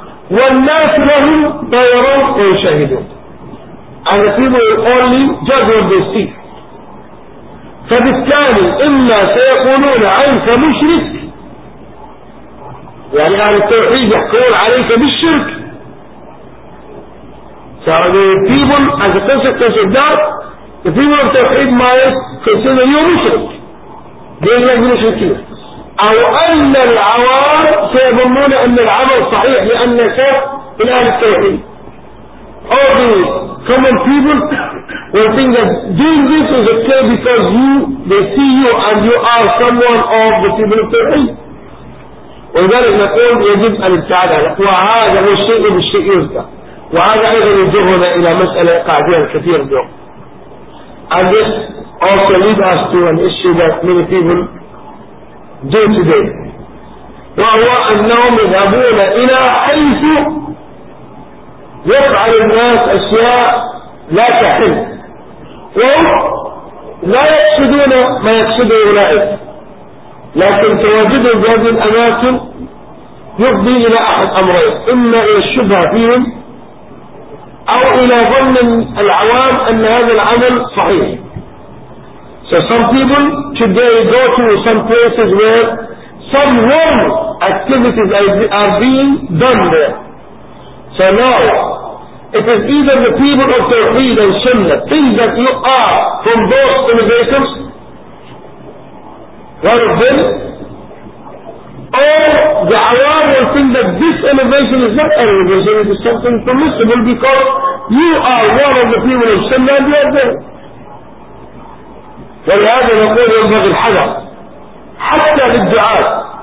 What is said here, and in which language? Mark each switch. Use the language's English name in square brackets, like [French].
[Arabic] والناس لهم يرون ويشاهدون. [English] And the people will only judge what they see. [Arabic] فبالتالي إما سيقولون عنك مشرك يعني عن التوحيد يقول عليك بالشرك. [English] So the people as a consequence of that, the people of التوحيد might consider you مشرك. They are not مشركين. [Arabic] أو أن العوام سيظنون أن العمل صحيح لأن شاف من أهل التوحيد. [English] All the common people will think that doing this is okay because you, they see you and you are someone of the people of Tawheed. [Arabic] وذلك نقول يجب أن ابتعد عنه وهذا هو الشيء بالشيء يذكر وهذا أيضا يجرنا إلى مسألة قاعدية كثيرة اليوم. [English] And this also leads us to an issue that many people do today. [Arabic] وهو أنهم يذهبون إلى حيث يفعل الناس أشياء لا تحل وهم لا يقصدون ما يقصده أولئك لكن تواجدهم في هذه الأماكن يفضي إلى أحد أمرين إما إلى الشبهة فيهم أو إلى ظن العوام أن هذا العمل صحيح. [English] So some people today go to some places where some wrong activities are being done there. So now it is either the people of Tawheed and Sunnah think that you are from those innovators, one of them, or the Awam will think that this innovation is not an innovation, it is something permissible because you are one of the people of Sunnah and the other. [Arabic] ولهذا نقول ينبغي الحذر حتى للدعاة.